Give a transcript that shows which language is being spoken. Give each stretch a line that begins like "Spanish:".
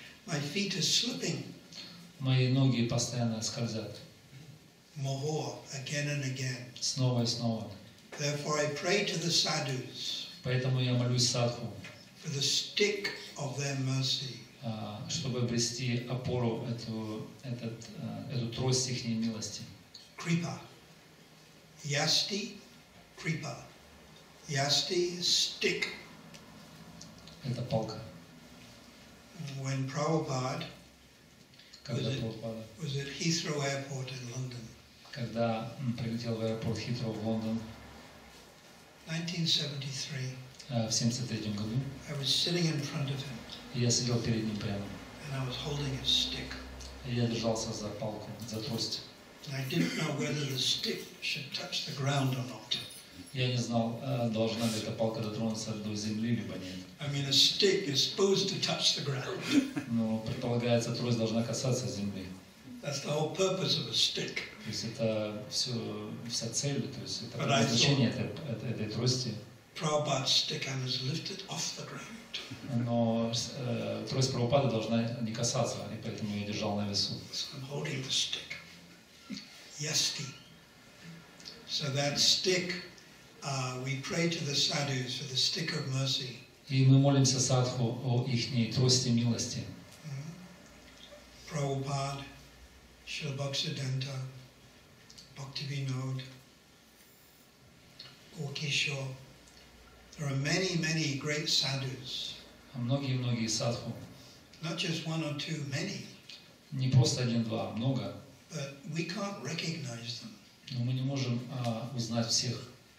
English: My feet are slipping.
Russian: Мои ноги постоянно скользят.
English: Moho, again and again.
Russian: Снова и снова.
English: Therefore I pray to the sadhus.
Russian: Поэтому я молюсь садху.
English: For the stick of their mercy.
Russian: Чтобы обрести опору эту трость их милости.
Sanskrit: Kripa. Yasti, kripa.
English: Yasti, stick.
Russian: Это палка.
English: When Prabhupada was at Heathrow Airport in London.
Russian: Когда он прилетел в аэропорт Хитроу в Лондон.
English: 1973.
Russian: В 73 году.
English: I was sitting in front of him.
Russian: Я сидел перед ним прямо.
English: And I was holding a stick.
Russian: Я держался за палку, за трость.
English: And I didn't know whether the stick should touch the ground or not.
Russian: Я не знал, должна ли эта палка дотронуться до земли либо нет.
English: I mean, a stick is supposed to touch the ground.
Russian: Но предполагается, трость должна касаться земли.
English: That's the whole purpose of a stick.
Russian: То есть это все, вся цель, то есть это предназначение этой трости.
English: Prabhupada's stick is lifted off the ground.
Russian: Но трость Прабхупады должна не касаться, и поэтому я держал на весу.
English: So I'm holding the stick. Yasti. So that stick, we pray to the sadhus for the stick of mercy.
Russian: И мы молимся садху о их трости милости.
English: Prabhupada. Shri Bhaksadanta, Bhaktivinod, Gorkishore. There are many, many great sadhus.
Russian: Многие-многие садху.
English: Not just one or two, many.
Russian: Не просто один-два, много.
English: But we can't recognize them.
Russian: Но мы не можем узнать всех.